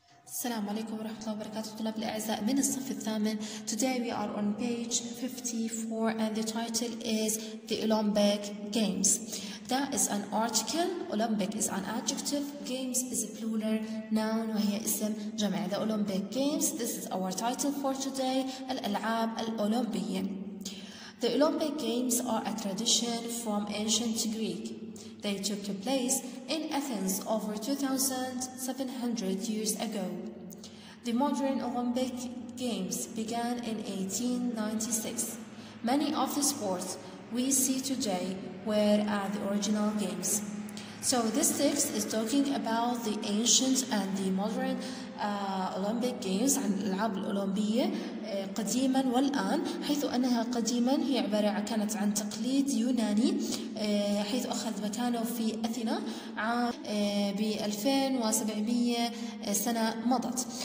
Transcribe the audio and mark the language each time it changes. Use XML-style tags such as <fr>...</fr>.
<ar>السلام عليكم ورحمة الله وبركاته طلاب الأعزاء من الصف الثامن.</ar> <en>Today we are on page 54 and the title is the Olympic Games. That is an article. Olympic is an adjective. Games is a plural noun</en> <ar>وهي اسم جمع.</ar> <en>The Olympic Games. This is our title for today.</en> <ar>الألعاب الأولمبية.</ar> <en>The Olympic Games are a tradition from ancient Greek. They took place in Athens over 2,700 years ago. The modern Olympic Games began in 1896. Many of the sports we see today were at the original games. So this text is talking about the ancient and the modern Olympic Games,</en> <ar>عن الألعاب الأولمبية قديما والآن, حيث أنها قديما هي عبارة كانت عن تقليد يوناني حيث أخذ مكانه في أثينا عام ب2700 سنة مضت.</ar>